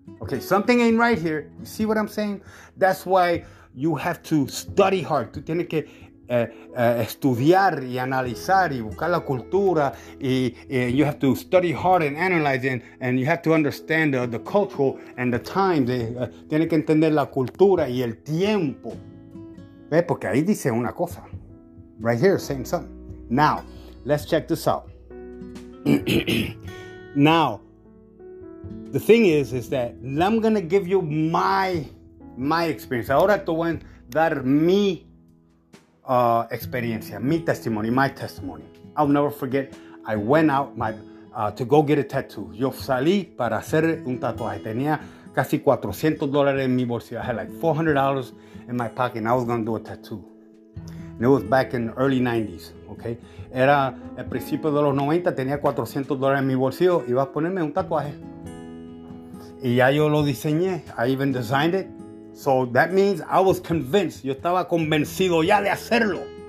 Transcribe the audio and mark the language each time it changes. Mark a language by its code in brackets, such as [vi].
[en] Okay, something ain't right here. You see what I'm saying? That's why you have to study hard. [es] Tú tienes que estudiar y analizar y buscar la cultura y [en] you have to study hard and analyze and you have to understand the cultural and the time. [es] Tiene que entender la cultura y el tiempo. ¿Ves? Porque ahí dice una cosa. [en] Right here, saying something. Now, let's check this out. Now, the thing is that I'm going to give you my experience. [es] Ahora te voy a dar mi experiencia, [en] my testimony. I'll never forget, I went out to go get a tattoo. [es] Yo salí para hacer un tatuaje. Tenía casi $400 en mi bolsillo. [en] I had like $400 in my pocket and I was going to do a tattoo. And it was back in the early 90s, okay? [es] Era el principio de los 90, tenía $400 en mi bolsillo, iba a ponerme un tatuaje. Y ya yo lo diseñé, [en] I even designed it. So that means I was convinced, [es] yo estaba convencido ya de hacerlo.